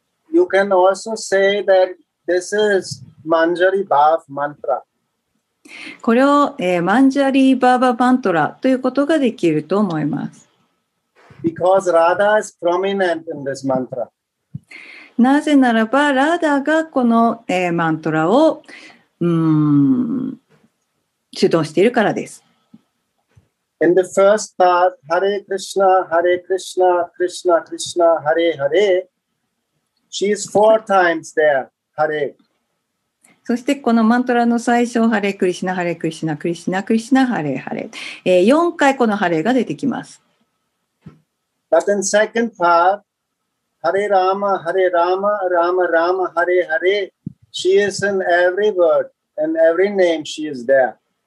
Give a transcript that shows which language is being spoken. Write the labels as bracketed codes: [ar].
[en] You can also say that this is Manjari Bhav mantra. [ja] これを、マンジャリーバーバーマントラということができると思います。 [en] Because Radha is prominent in this mantra. [ja] なぜならば、ラーダがこの、マントラを主導しているからです。 [en] In the first part, Hare Krishna, Hare Krishna, Krishna Krishna, Hare Hare, she is four times there, Hare. [ja] そしてこのマントラの最初、ハレクリシナ、ハレクリシナ、クリシナ、クリシナ、ハレハレ。 4回このハレが出てきます。 [en] But in second part, ハレラーマ、ハレラーマ、ラーマ、ラーマ、ハレハレ。 She is in every word, in every name she is there.